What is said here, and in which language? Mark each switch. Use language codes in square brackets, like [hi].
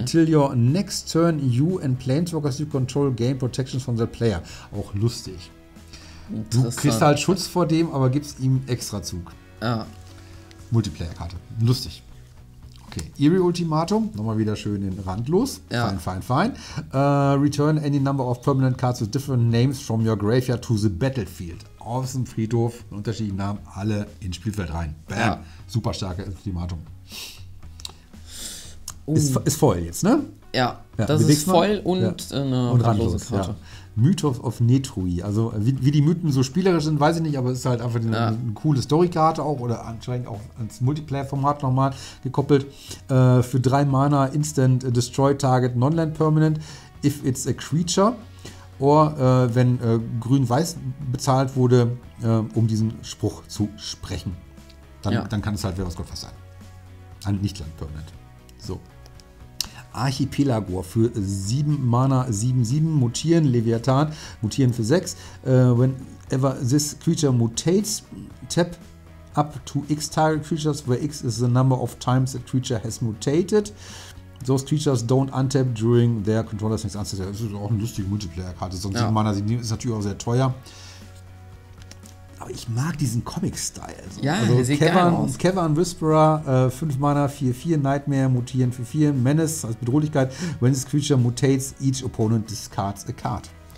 [en] Until your next turn, you and planeswalkers you control gain protections from the player. [de] Auch lustig. Du kriegst halt Schutz vor dem, aber gibst ihm extra Zug. Ja. Multiplayer-Karte. Lustig. Okay. Eerie Ultimatum, nochmal wieder schön in Randlos. Ja. Fein. [en] Return any number of permanent cards with different names from your graveyard to the battlefield. [de] Aus dem Friedhof, mit unterschiedlichen Namen, alle ins Spielfeld rein. Bam. Ja. Super starke Ultimatum. Ist voll jetzt, ne? Ja, das ist voll und randlose Karte. Ja. Mythos of Netrui. Also wie die Mythen so spielerisch sind, weiß ich nicht, aber es ist halt einfach eine coole Storykarte auch oder anscheinend auch ans Multiplayer-Format nochmal gekoppelt. Für 3 Mana [en] Instant Destroy Target Non-Land Permanent if it's a creature or [de] wenn grün-weiß bezahlt wurde, um diesen Spruch zu sprechen. Dann kann es halt wer aus Gott was sein. Ein Nicht-Land Permanent. So. Archipelagor für 7 Mana 7/7, mutieren, Leviathan, mutieren für 6. [en] Whenever this creature mutates, tap up to X target creatures, where X is the number of times a creature has mutated. Those creatures don't untap during their controller's next answer. [de] Das ist auch eine lustige Multiplayer-Karte, sonst 7 Mana 7/7 ist natürlich auch sehr teuer. Aber ich mag diesen Comic-Style. So. Ja, also sieht Kevin, geil aus. Kevin Whisperer, 5 Mana, 4/4, Nightmare, mutieren für 4, Menace als Bedrohlichkeit. [en] When this creature mutates, each opponent discards a card.